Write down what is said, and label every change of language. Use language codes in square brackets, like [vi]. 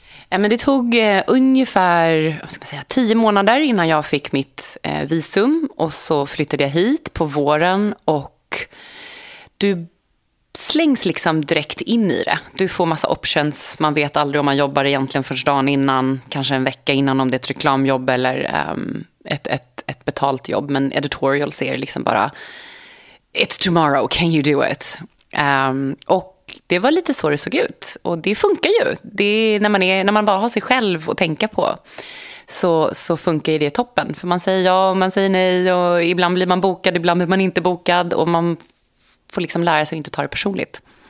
[sv] Men det tog ungefär 10 månader innan jag fick mitt visum. Och så flyttade jag hit på våren. Och du slängs liksom direkt in i det. Du får massa options. Man vet aldrig om man jobbar egentligen först dagen innan. Kanske en vecka innan om det är ett reklamjobb eller ett betalt jobb. Men editorial ser liksom bara, [en] it's tomorrow, can you do it? [sv] Och det var lite så det såg ut. Och det funkar ju. Det är när man bara har sig själv att tänka på, så funkar ju det toppen. För man säger ja och man säger nej. Och ibland blir man bokad, ibland blir man inte bokad. Och man får liksom lära sig att inte ta det personligt.